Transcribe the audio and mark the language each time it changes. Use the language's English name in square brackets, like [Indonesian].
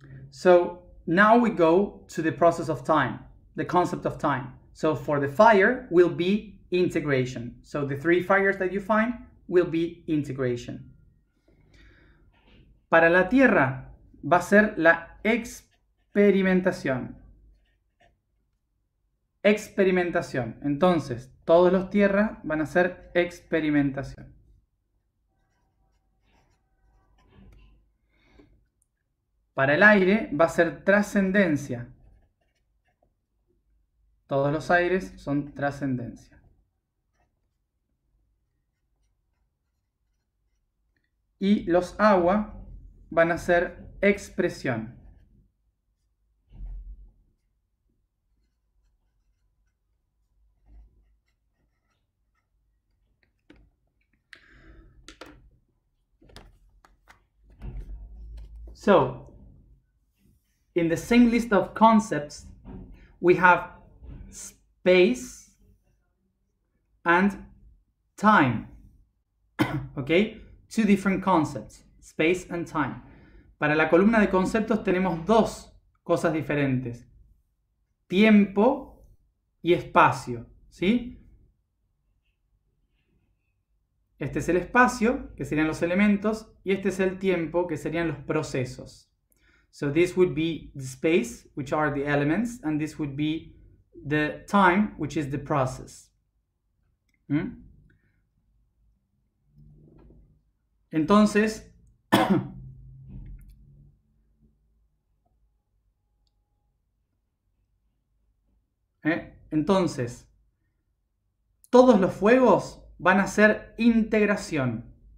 [English] So, now we go to the process of time, the concept of time. So for the fire will be integration. So the three fires that you find will be integration. [Spanish] Para la tierra va a ser la experimentación. Experimentación. Entonces, todos los tierras van a ser experimentación. Para el aire va a ser trascendencia. Todos los aires son trascendencia. Y los agua van a ser expresión. [English] So, in the same list of concepts, we have space and time. Okay? Two different concepts, space and time. [Spanish] Para la columna de conceptos tenemos dos cosas diferentes: tiempo y espacio, ¿sí? Este es el espacio, que serían los elementos, y este es el tiempo, que serían los procesos. [English] So this would be the space, which are the elements, and this would be the time, which is the process. [Spanish] Entonces, entonces, todos los fuegos van a ser integración.